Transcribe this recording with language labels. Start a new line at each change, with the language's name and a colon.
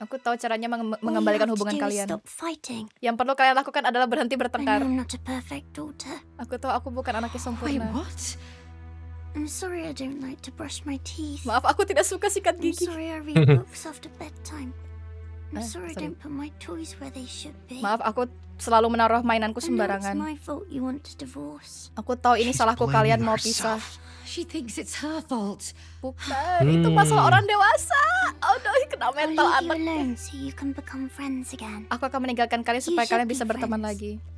Indonesian: Aku tahu caranya mengembalikan hubungan kalian. Yang perlu kalian lakukan adalah berhenti bertengkar.
English: I'm not a perfect daughter.
Indonesian: Aku tahu aku bukan anak yang sempurna.
English: Wait, what? I'm sorry I don't like to brush my teeth.
Indonesian: Maaf aku tidak suka sikat gigi.
English: I'm sorry I read books after bedtime. I'm sorry I don't put my toys where they should be.
Indonesian: Maaf aku selalu menaruh mainanku sembarangan.
English: It's my fault you want to divorce.
Indonesian: Aku tahu ini salahku kalian mau pisah.
English: She thinks it's her fault.
Indonesian: Bukan, itu masalah orang dewasa. Oh no, kena mental anaknya. Aku akan meninggalkan kalian supaya kalian bisa berteman lagi.